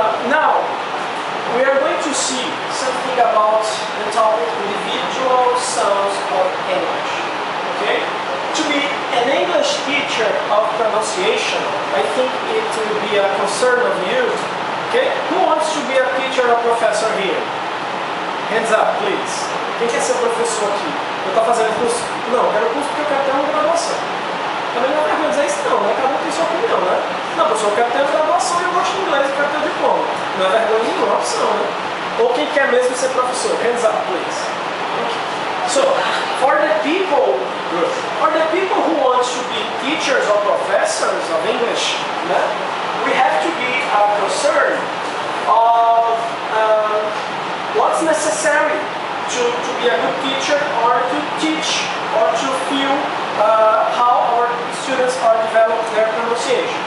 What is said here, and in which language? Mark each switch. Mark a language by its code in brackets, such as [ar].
[en] Now, we are going to see something about the topic individual sounds of English. Okay? To be an English teacher of pronunciation, I think it will be a concern of you. Okay? Who wants to be a teacher or professor here? Hands up, please. [pt] Quem quer ser professor aqui? Eu tô fazendo curso? Não, quero curso porque eu quero ter uma graduação. Também não é mais é isso não, né? Cada um tem sua opinião, né? Não, pessoal, eu quero ter uma graduação e eu gosto de inglês e quero ter um diploma. Não é vergonha nenhuma, é uma opção, né? Ou quem quer mesmo ser professor? [en] Hands up, please. Okay. So, for the people who want to be teachers or professors of English, né? We have to be concerned of what's necessary to be a good teacher or to teach or to feel how our students are developing their pronunciation.